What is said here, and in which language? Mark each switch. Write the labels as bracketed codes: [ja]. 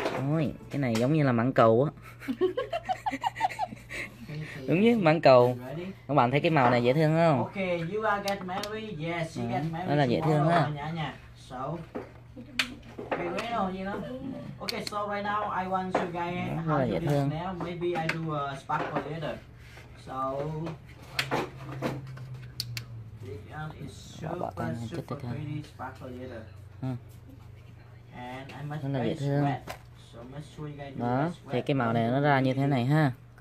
[vi] Ôi, cái này giống như là mặn cầu á. Đúng chứ, mặn cầu. Các bạn thấy cái màu này dễ thương không? [en] Okay, you are get married. Yes, you get married. [vi] Đó là dễ thương ha. [en] So, okay, so right now I want you guys to do this now. Maybe I do a sparkle later. So, it's super, super pretty sparkle later. [vi] Huh. [en] And I must make sure you guys do this. [vi] Thì cái màu này nó ra như thế này ha.